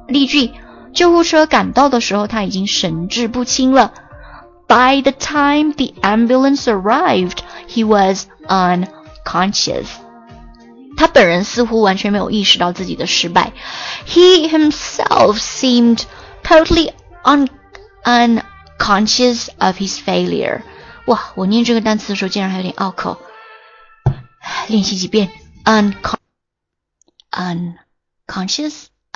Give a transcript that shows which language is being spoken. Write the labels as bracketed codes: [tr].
[zh] 例句，救护车赶到的时候他已经神志不清了。 [en] By the time the ambulance arrived he was unconscious， [zh] 他本人似乎完全没有意识到自己的失败。 [en] He himself seemed totally unconscious of his failure。 [zh] 哇，我念这个单词的时候竟然还有点拗口，练习几遍 unconscious。